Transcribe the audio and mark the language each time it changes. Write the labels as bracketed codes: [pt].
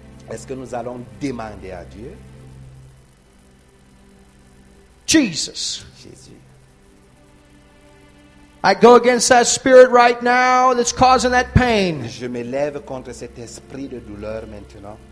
[fr] Est-ce que nous allons demander à Dieu? [en] Jesus, I go against that spirit right now that's causing that pain. [fr] Je me lève contre cet esprit de douleur maintenant.